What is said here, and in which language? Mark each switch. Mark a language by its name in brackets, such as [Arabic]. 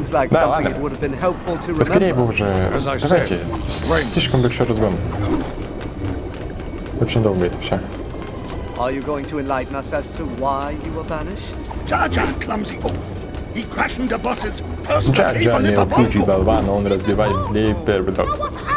[Russian] Да, ладно. Поскорее бы уже. Давайте, слишком большой разгон. Очень долго это все. [English] Are you going to enlighten us as to why you were banished? Jaja, clumsy fool! He crashed the boss's personal leaper bubble. [Russian] Он разбивает leaper bubble.